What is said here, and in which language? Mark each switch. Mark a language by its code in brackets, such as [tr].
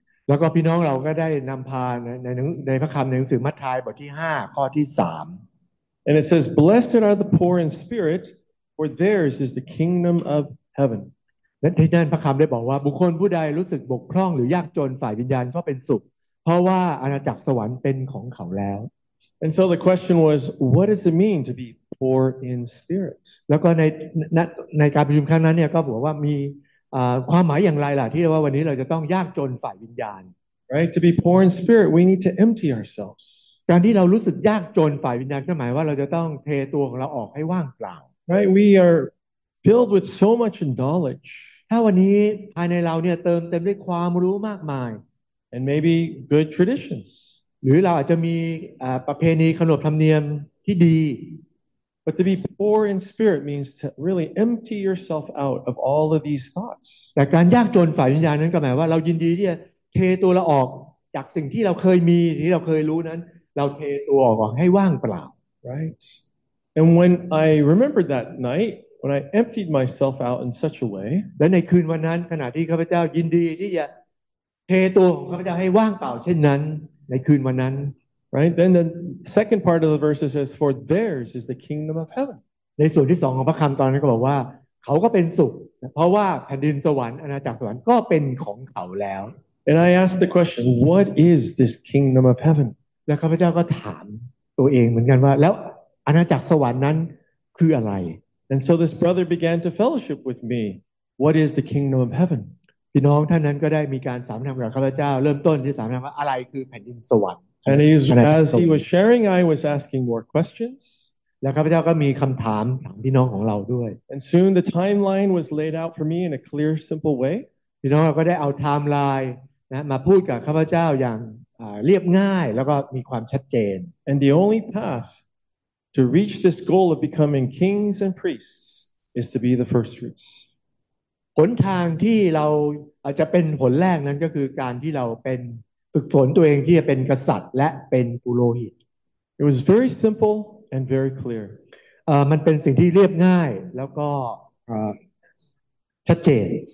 [th] แล้วก็พี่น้องเราก็ได้นำพาในพระคัมภีร์หนังสือมัทธายบทที่5ข้อที่3 [en] And it says, "Blessed are the poor in spirit, for theirs is the kingdom of heaven." [th] ในนั้นพระคัมภีร์ได้บอกว่าบุคคลผู้ใดรู้สึกบกพร่องหรือยากจนฝ่ายวิญญาณก็เป็นสุขเพราะว่าอาณาจักรสวรรค์เป็นของเขาแล้ว [en] And so the question was, what does it mean to be poor in spirit? [th] แล้วก็ในการประชุมครั้งนั้นเนี่ยก็บอกว่ามีความหมายอย่างไรล่ะที่ว่าวันนี้เราจะต้องยากจนฝ่ายวิญญาณ [en] Right, to be poor in spirit, we need to empty ourselves. [th] การที่เรารู้สึกยากจนฝ่ายวิญญาณก็หมายว่าเราจะต้องเทตัวของเราออกให้ว่างเปล่า [en] Right, we are filled with so much knowledge. [th] ถ้าวันนี้ภายในเราเนี่ยเติมด้วยความรู้มากมาย [en] And maybe good traditions. [th] หรือเราอาจจะมีประเพณีขนบธรรมเนียมที่ดี [en] But to be poor in spirit means to really empty yourself out of all of these thoughts. [th] แต่การยากจนฝ่ายวิญญาณนั้นก็หมายว่าเรายินดีที่จะเทตัวเราออกจากสิ่งที่เราเคยมีที่เราเคยรู้นั้นเราเทตัวออกให้ว่างเปล่า [en] Right. And when I remembered that night, when I emptied myself out in such a way, [th] และในคืนวันนั้นขณะที่ข้าพเจ้ายินดีที่จะเทตัวของข้าพเจ้าให้ว่างเปล่าเช่นนั้นในคืนวันนั้น [en] right then the second part of the verse says for theirs is the kingdom of heaven [th] ในส่วนที่2ของพระคัมภีร์ตอนนั้นก็บอกว่าเขาก็เป็นสุขเพราะว่าแผ่นดินสวรรค์อาณาจักรสวรรค์ก็เป็นของเขาแล้ว [en] and I asked the question what is this kingdom of heaven [th] แล้วข้าพเจ้าก็ถามตัวเองเหมือนกันว่าแล้วอาณาจักรสวรรค์นั้นคืออะไร [en] and so this brother began to fellowship with me what is the kingdom of heaven [th] พี่น้องท่านนั้นก็ได้มีการสามัญกับข้าพเจ้าเริ่มต้นที่สามัญว่าอะไรคือแผ่นดินสวรรค์ [en] And as he was sharing I was asking more questions [th] แล้วข้าพเจ้าก็มีคำถามถามพี่น้องของเราด้วย [en] And soon the timeline was laid out for me in a clear simple way [th] พี่น้องก็ได้เอาไทม์ไลน์นะมาพูดกับข้าพเจ้าอย่างเรียบง่ายแล้วก็มีความชัดเจน [en] And the only path to reach this goal of becoming kings and priests is to be the first fruits [th] หนทางที่เราอาจจะเป็นผลแรกนั้นก็คือการที่เราเป็นฝึกฝนตัวเองที่จะเป็นกษัตริย์และเป็นปุโรหิต [en] It was very simple and very clear [th] มันเป็นสิ่งที่เรียบง่ายแล้วก็ชัดเจน